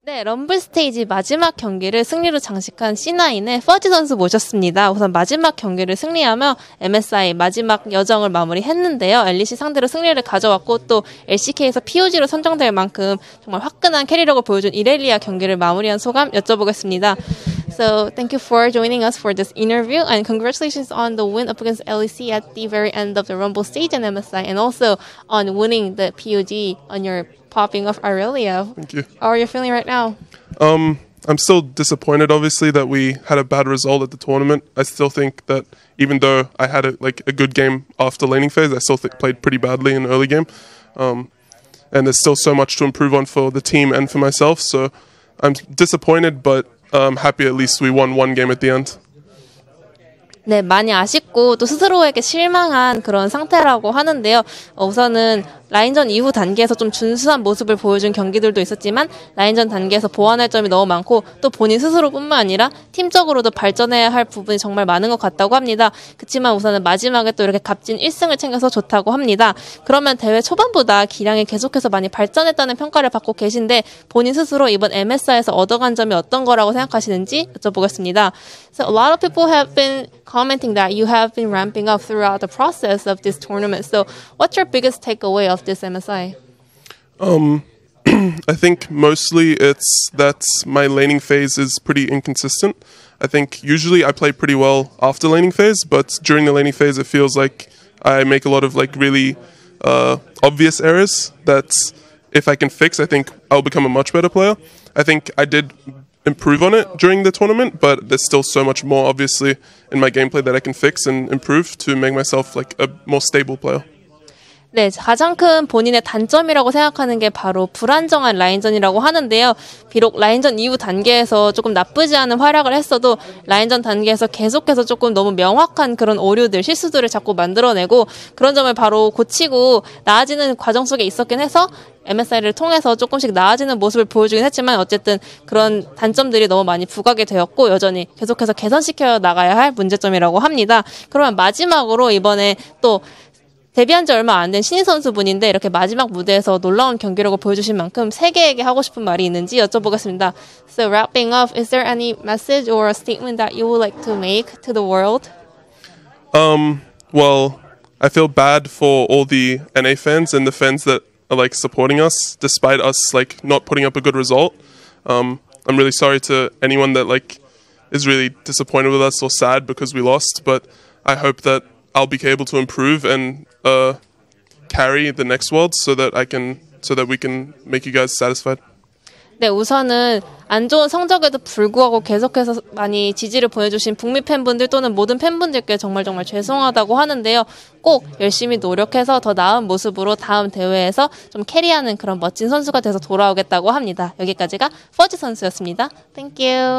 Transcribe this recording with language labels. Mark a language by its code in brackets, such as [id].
[ko] 네, 럼블 스테이지 마지막 경기를 승리로 장식한 C9의 퍼지 선수 모셨습니다. 우선 마지막 경기를 승리하며 MSI 마지막 여정을 마무리했는데요. LEC 상대로 승리를 가져왔고 또 LCK에서 POG로 선정될 만큼 정말 화끈한 캐리력을 보여준 이렐리아 경기를 마무리한 소감 여쭤보겠습니다. [en] So, thank you for joining us for this interview and congratulations on the win up against LEC at the very end of the Rumble stage in MSI and also on winning the POG on your popping off Irelia. Thank you. How are you feeling right now? I'm still disappointed, obviously, that we had a bad result at the tournament. I still think that even though I had a good game after laning phase, I still played pretty badly in the early game. And there's still so much to improve on for the team and for myself. So I'm disappointed, but I'm happy at least we won one game at the end. [ko] 네, 많이 아쉽고 또 스스로에게 실망한 그런 상태라고 하는데요. 우선은 라인전 이후 단계에서 좀 준수한 모습을 보여준 경기들도 있었지만 라인전 단계에서 보완할 점이 너무 많고 또 본인 스스로뿐만 아니라 팀적으로도 발전해야 할 부분이 정말 많은 것 같다고 합니다. 그치만 우선은 마지막에 또 이렇게 값진 1승을 챙겨서 좋다고 합니다. 그러면 대회 초반보다 기량이 계속해서 많이 발전했다는 평가를 받고 계신데 본인 스스로 이번 MSI에서 얻어간 점이 어떤 거라고 생각하시는지 여쭤보겠습니다. [en] So a lot of people have been commenting that you have been ramping up throughout the process of this tournament. So what's your biggest takeaway of this MSI? I think mostly it's that my laning phase is pretty inconsistent. I think usually I play pretty well after laning phase, but during the laning phase it feels like I make a lot of like really obvious errors that if I can fix, I think I'll become a much better player. I think I did improve on it during the tournament, but there's still so much more obviously in my gameplay that I can fix and improve to make myself like a more stable player. [ko] 네, 가장 큰 본인의 단점이라고 생각하는 게 바로 불안정한 라인전이라고 하는데요. 비록 라인전 이후 단계에서 조금 나쁘지 않은 활약을 했어도 라인전 단계에서 계속해서 조금 너무 명확한 그런 오류들, 실수들을 자꾸 만들어내고 그런 점을 바로 고치고 나아지는 과정 속에 있었긴 해서 MSI를 통해서 조금씩 나아지는 모습을 보여주긴 했지만 어쨌든 그런 단점들이 너무 많이 부각이 되었고 여전히 계속해서 개선시켜 나가야 할 문제점이라고 합니다. 그러면 마지막으로 이번에 또 데뷔한 지 얼마 안 된 신인 선수분인데 이렇게 마지막 무대에서 놀라운 경기력을 보여주신 만큼 세계에게 하고 싶은 말이 있는지 여쭤보겠습니다. [en] So wrapping up, is there any message or a statement that you would like to make to the world? Well, I feel bad for all the NA fans and the fans that are like supporting us despite us like not putting up a good result. I'm really sorry to anyone that like is really disappointed with us or sad because we lost, but I hope that I'll be able to improve and carry the next world so that we can make you guys satisfied. [ko] 네, 우선은 안 좋은 성적에도 불구하고 계속해서 많이 지지를 보내주신 북미 팬분들 또는 모든 팬분들께 정말 정말 죄송하다고 하는데요. 꼭 열심히 노력해서 더 나은 모습으로 다음 대회에서 좀 캐리하는 그런 멋진 선수가 돼서 돌아오겠다고 합니다. 여기까지가 퍼지 선수였습니다. [en] Thank you.